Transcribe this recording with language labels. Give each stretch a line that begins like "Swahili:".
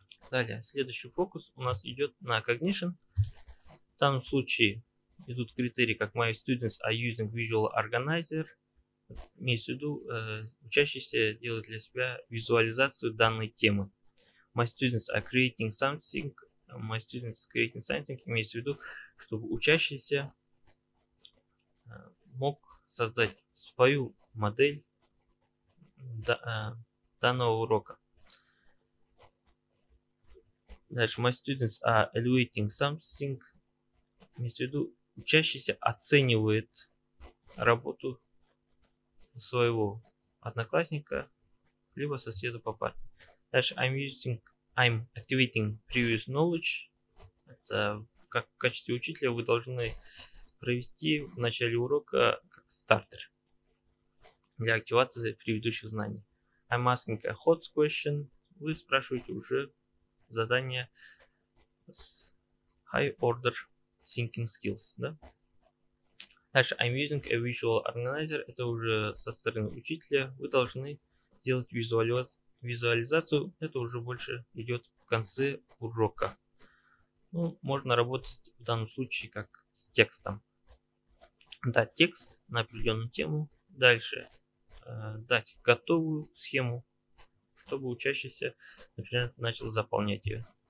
Russian: Далее, следующий фокус у нас идет на cognition. В данном случае идут критерии, как my students are using visual organizer. Имеется в виду, учащиеся делают для себя визуализацию данной темы.
English: My students are creating something. My students are creating something.
Russian: Имеется в виду, чтобы учащийся мог создать свою модель данного урока. Дальше.
English: My students are evaluating something.
Russian: Имеется в виду, учащийся оценивает работу своего одноклассника, либо соседа по парте. Дальше,
English: I'm activating previous knowledge.
Russian: Это как в качестве учителя вы должны провести в начале урока как стартер для активации предыдущих знаний.
English: I'm asking a hot question.
Russian: Вы спрашиваете уже задание с high order thinking skills, да? Дальше,
English: I'm using a visual organizer.
Russian: Это уже со стороны учителя. Вы должны сделать визуализацию. Это уже больше идет в конце урока. Ну, можно работать в данном случае как с текстом. Дать текст на определенную тему. Дальше, дать готовую схему, чтобы учащийся, например, начал заполнять ее.